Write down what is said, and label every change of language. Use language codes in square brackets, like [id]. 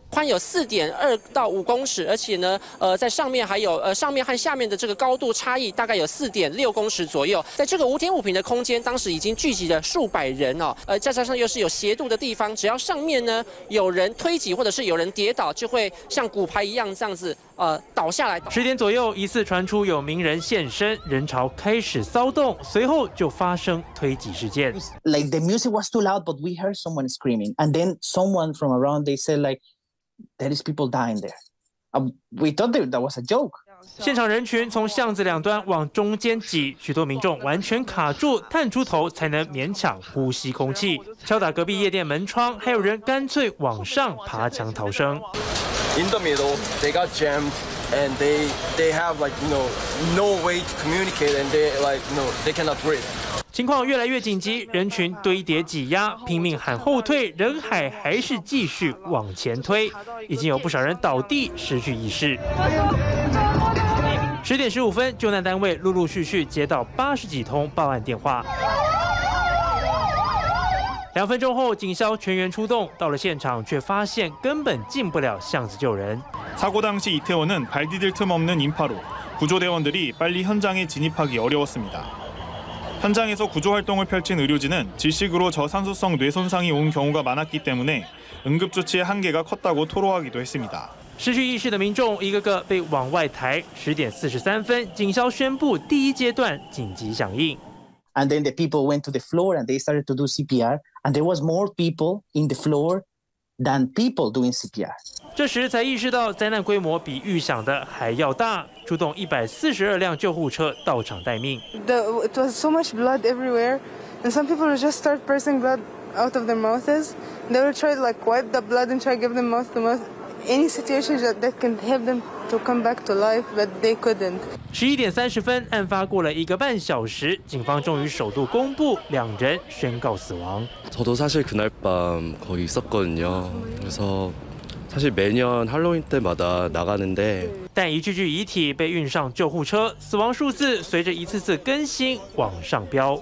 [zh] 宽有4.2到5公尺，而且呢，在上面还有上面和下面的这个高度差异大概有4.6公尺左右，在这个5.5平的空间，当时已经聚集了数百人哦，再加上又是有斜度的地方，只要上面呢有人推挤或者是有人跌倒，就会像骨牌一样这样子。倒下来。 10点左右，疑似传出有名人现身，人潮开始骚动，随后就发生推挤事件。 [en] Like the music was too loud, but we heard someone screaming, and then someone from around they said like there is people dying there. We thought that was a joke. [zh] 现场人群从巷子两端往中间挤，许多民众完全卡住，探出头才能勉强呼吸空气，敲打隔壁夜店门窗，还有人干脆往上爬墙逃生。 [en] In the middle, they got jammed, and they have like you know no way to communicate, and they like you know they cannot breathe. [zh] 情况越来越紧急，人群堆叠挤压，拼命喊后退，人海还是继续往前推，已经有不少人倒地失去意识。 10点15分，救难单位陆陆续续接到80几通报案电话。 2分钟后，警消全员出动，到了现场，却发现根本进不了巷子救人。 [ko] 사고당시이태원은발디딜틈없는인파로구조대원들이빨리현장에진입하기어려웠습니다현장에서구조활동을펼친의료진은질식으로저산소성뇌손상이온경우가많았기때문에응급조치의한계가컸다고토로하기도했습니다 [zh] 失去意识的民众一个个被往外抬。 10点43分，警消宣布第一阶段紧急响应。 [en] And then the people went to the floor and they started to do CPR. And there was more people in the floor than people doing CPR. [zh] 这时才意识到灾难规模比预想的还要大，出动142辆救护车到场待命。 [en] It was so much blood everywhere, and some people just start pressing blood out of their mouths. They will try to like wipe the blood and try to give them mouth to mouth. Any situation that can help them. To come back to life, but they couldn't. [zh] 11点30分，案发过了一个半小时，警方终于首度公布两人宣告死亡。 [ko] 저도사실그날밤거의있었거든요그래서사실매년할로윈때마다나가는데 [zh] 但一具具遗体被运上救护车，死亡数字随着一次次更新往上飙。